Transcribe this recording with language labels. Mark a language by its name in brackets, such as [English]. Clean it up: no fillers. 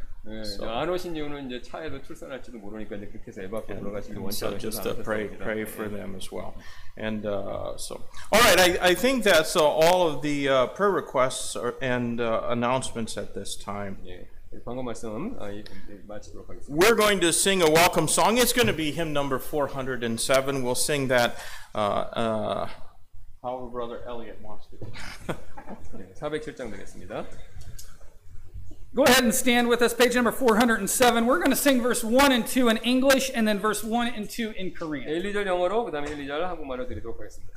[Korean] 예, 안 오신 이유는 이제 차에서 출산할지도 모르니까 이제 그렇게 해서 에바프 돌아가시는 원치 않으신 것 같습니다. [English] Pray for them as well. And so, all right. I think that's all of the prayer requests and announcements at this time. [Korean] 예, 방금 말씀 마치도록 하겠습니다. [English] We're going to sing a welcome song. It's going to be hymn number 407. We'll sing that. However, Brother Elliot wants to. [Korean] 407장 되겠습니다. [English] Go ahead and stand with us. Page number 407. We're going to sing verse 1 and 2 in English and then verse 1 and 2 in Korean. [Korean] 1, 2절 영어로, 그 다음에 1, 2절 한국말로 드리도록 하겠습니다.